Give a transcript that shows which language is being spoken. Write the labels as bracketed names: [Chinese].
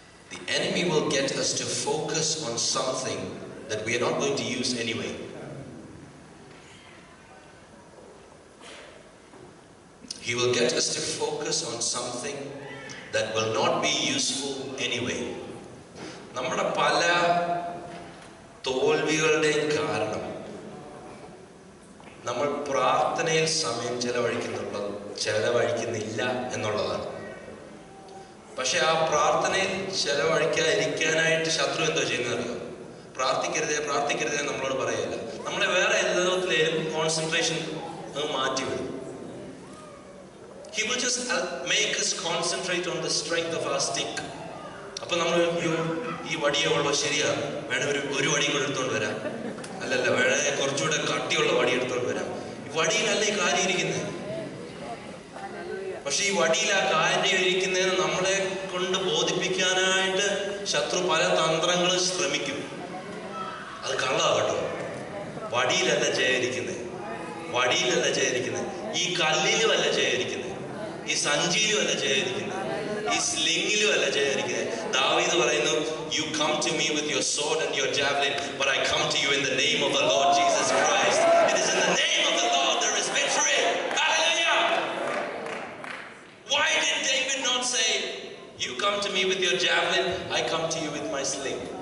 [English] The enemy will get us to focus on something that we are not going to use anyway. He will get us to focus on something that will not be useful anyway. [Malayalam] Nammada pala തോൽവികളുടെയും കാരണം നമ്മൾ പ്രാർത്ഥനയിൽ സമയം ചെലവഴിക്കുന്നില്ല എന്നുള്ളതാണ്. പക്ഷെ ആ പ്രാർത്ഥനയിൽ ചെലവഴിക്കാതിരിക്കാനായിട്ട് ശത്രു എന്തോ ചെയ്യുന്നത്, പ്രാർത്ഥിക്കരുതേ നമ്മളോട് പറയല്ല, നമ്മളെ വേറെ എല്ലാത്തിലും concentration മാറ്റിവിടും. [English] He will just make us concentrate on the strength of our stick. [Malayalam] അപ്പൊ നമ്മൾ ഈ വടിയെ ഉള്ളോ ശരിയാ വേണ ഒരു വടി കൂടെ എടുത്തോണ്ട് വരാം, അല്ലല്ല വേണ കുറച്ചുകൂടെ കട്ടിയുള്ള വടി എടുത്തോണ്ട് വരാം. ഈ വടിയിലല്ല ഈ കാര്യം ഇരിക്കുന്നത്, പക്ഷെ ഈ വടിയിൽ ആ കാര്യം ഇരിക്കുന്നതിന് നമ്മളെ കൊണ്ട് ബോധിപ്പിക്കാനായിട്ട് ശത്രു പല തന്ത്രങ്ങൾ ശ്രമിക്കും. അത് കള്ളാകട്ടോ, വടിയിലല്ല ജയിരിക്കുന്നത്, വടിയിലല്ല ജയിരിക്കുന്നത്, ഈ കല്ലിലും അല്ല ജയിരിക്കുന്നത്, ഈ സഞ്ചിയിലും അല്ല ജയിരിക്കുന്നത്, ഈ സ്ലിംഗിലും അല്ല ജയിരിക്കുന്നത്. [English] David [Malayalam] പറയുന്നു, [English] you come to me with your sword and your javelin, but I come to you in the name of the Lord Jesus Christ. It is in the name of the Lord there is victory. Hallelujah. Why did David not say, you come to me with your javelin, I come to you with my sling?